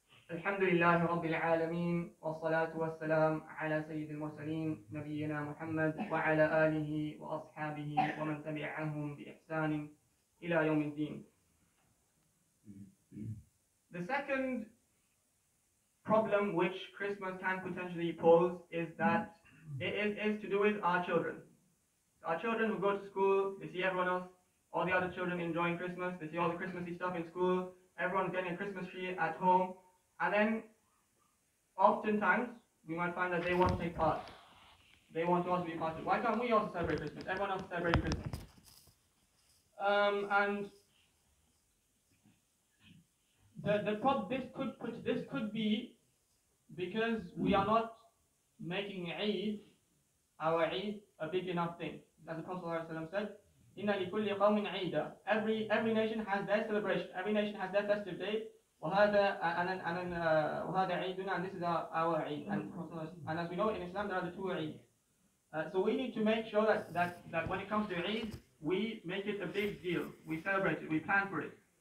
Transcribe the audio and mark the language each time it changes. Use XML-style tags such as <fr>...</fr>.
<ar>الحمد لله رب العالمين والصلاة والسلام على سيد المرسلين نبينا محمد وعلى آله وأصحابه ومن تبعهم بإحسان إلى يوم الدين.</ar> <en>The second problem which Christmas can potentially pose is that it is to do with our children. Our children who go to school, they see everyone else, all the other children enjoying Christmas, they see all the Christmassy stuff in school, everyone's getting a Christmas tree at home. And then, oftentimes, we might find that they want to take part. They want to also be part of it. Why can't we also celebrate Christmas? Everyone else celebrate Christmas. And This could be because we are not making Eid, our Eid, a big enough thing. As the Prophet ﷺ said,</en> <ar>إِنَّ لِكُلِّ قَوْمٍ عِيدًا.</ar> <en>Every nation has their celebration. Every nation has their festive day.</en> <ar>وَهَذَا عِيدُنَا.</ar> <en>And this is our Eid. And as we know, in Islam, there are the two Eid. So we need to make sure that when it comes to Eid, we make it a big deal. We celebrate it. We plan for it.</en>